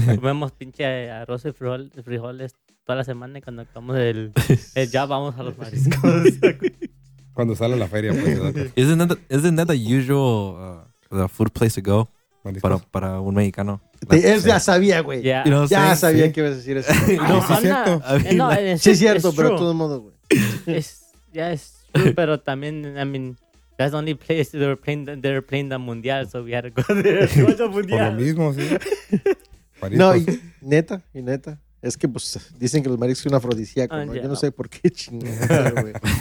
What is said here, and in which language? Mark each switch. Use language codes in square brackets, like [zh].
[es] Comemos pinche arroz y frijoles toda la semana y cuando acabamos el ya vamos a los mariscos. Cuando sale la feria, pues. [en] Isn't that the usual food place to go? [es] Para un mexicano. Ya sabía, güey. [en] Yeah. You know, [es] ya sabía que ibas a decir eso. No, sí, es cierto. Sí, es cierto, pero de todo modo, güey. Ya es true, pero también, [en] I mean, that's the only place they were playing the mundial, so we had to go there. [es] Por lo mismo, sí. No, y neta. Es que, pues, dicen que los mariscos son afrodisíacos, ¿no? Yeah. Yo no sé por qué chingada, güey.